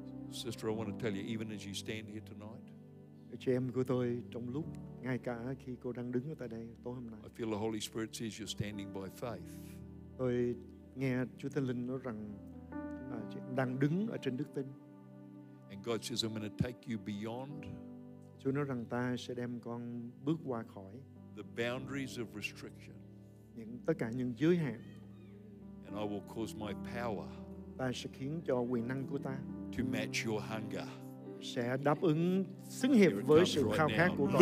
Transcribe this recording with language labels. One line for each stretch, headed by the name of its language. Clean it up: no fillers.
English: Sister, I want to tell you, even as you stand here tonight,
Vietnamese: chị em của tôi trong lúc ngay cả khi cô đang đứng ở tại đây tối hôm nay,
English: I feel the Holy Spirit says you're standing by faith.
Vietnamese: Tôi nghe Chúa Thánh Linh nói rằng chị em đang đứng ở trên đức tin.
English: And God says, I'm going to take you beyond.
Vietnamese: Chúa nói rằng ta sẽ đem con bước qua khỏi
English: the boundaries of restriction.
Vietnamese: Những tất cả những giới hạn.
English: And I will cause my power.
Vietnamese: Ta sẽ khiến cho quyền năng của ta
English: to match your hunger.
Vietnamese: Sẽ đáp ứng xứng hiệp với sự khao khát của con.